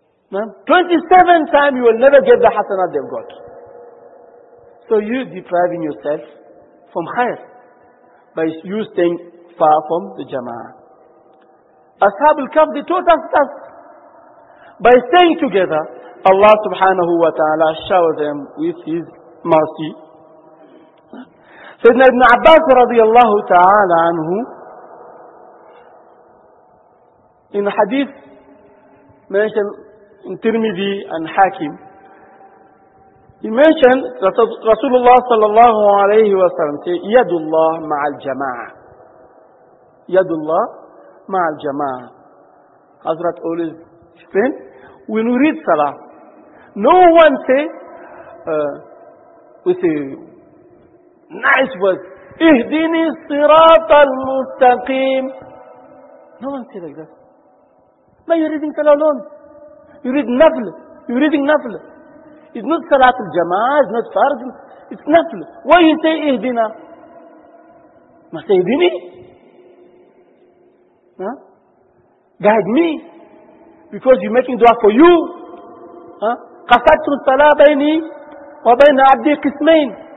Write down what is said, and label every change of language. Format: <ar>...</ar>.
<en>27 times you will never get the hasanat they've got. So you're depriving yourself from khair by you staying far from the Jama'ah. Ashab al-Kahf, they taught us that. By staying together, Allah subhanahu wa ta'ala shower them with His mercy.</en> <ar>سيدنا ابن عباس رضي الله تعالى عنه</ar> <en>in</en> <ar>حديث</ar> <en>mentioned in Tirmidhi and Hakim, he mentioned that</en> <ar>رسول الله صلى الله عليه وسلم</ar> <en>say</en> <ar>يد الله مع الجماعة يد الله مع الجماعة.</ar> <en>Hazrat always explain when we read Salah, no one say we say nice words.</en> <ar>اهدني الصراط المستقيم.</ar> <en>No one says like that. But you're reading Salah alone. You read Nafl. You're reading Nafl. It's not Salat al-Jama'ah, it's not Farz. It's Nafl. Why you say</en> <ar>اهدنا?</ar> <en>Must say</en> <ar>اهدني?</ar> <en>Guide me. Because you're making dua for you.</en> <ar>قصدت الصلاة بيني وبين عبدي قسمين.</ar>